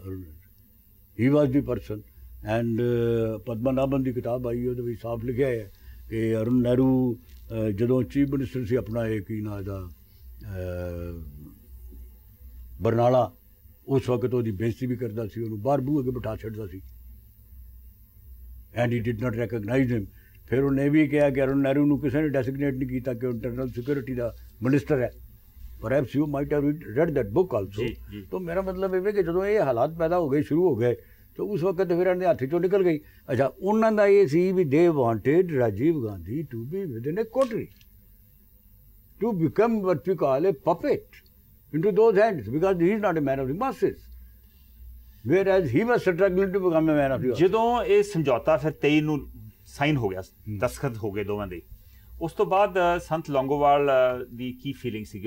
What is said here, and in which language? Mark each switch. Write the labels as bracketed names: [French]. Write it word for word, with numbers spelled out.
[Punjabi] Arun he was ਦੀ person and ਪਦਮਨਾਭਨ ਦੀ ਕਿਤਾਬ ਆਈ ਉਹਦੇ ਵਿੱਚ ਸਾਫ਼ ਲਿਖਿਆ ਹੈ ਕਿ ਅਰੁਣ ਨਹਿਰੂ ਅਹ, ਜਦੋਂ ਚੀਫ ਮਿਨਿਸਟਰ ਸੀ ਆਪਣਾ ਇਹ ਕੀ ਨਾਂ ਇਹਦਾ ਅਹ, ਬਰਨਾਲਾ, ਉਸ ਵਕਤ ਉਹਦੀ ਬੇਇੱਜ਼ਤੀ ਵੀ ਕਰਦਾ ਸੀ, ਉਹਨੂੰ ਬਾਹਰ ਬੂਹੇ ਅੱਗੇ ਬਿਠਾ ਛੱਡਦਾ ਸੀ [English] And he did not recognise him. [Punjabi] ਫਿਰ ਉਹਨੇ ਇਹ ਵੀ ਕਿਹਾ ਕਿ ਅਰੁਣ ਨਹਿਰੂ ਨੂੰ ਕਿਸੇ ਨੇ ਡੈਸਿਗਨੇਟ ਨਹੀਂ ਕੀਤਾ ਕਿ ਉਹ ਇੰਟਰਨਲ ਸਿਕਿਉਰਿਟੀ ਦਾ ਮਿਨਿਸਟਰ ਹੈ। [English] Perhaps you might have read that book also. [Punjabi] ਜੀ ਜੀ [Hindi] तो मेरा मतलब ये है कि जो ये हालात पैदा हो गए शुरू हो गए तो उस वक्त फिर इन्हें हाथी चो निकल गई। अच्छा उन्होंने ये [English] See भी they wanted Rajiv Gandhi to be within a coterie to become what we call a puppet into those hands because he is not a man of the masses whereas he was struggling to become a man of the. [Punjabi] ਜਦੋਂ ਇਹ ਸਮਝੌਤਾ ਫਿਰ ਤੇਈ ਨੂੰ sign ਹੋ ਗਿਆ, ਦਸਖਤ ਹੋ ਗਏ ਦੋਵਾਂ ਦੇ, ਉਸ ਤੋਂ ਬਾਅਦ ਅ, ਸੰਤ ਲੌਂਗੋਵਾਲ ਅ, ਦੀ ਕੀ ਫੀਲਿੰਗ ਸੀਗੀ?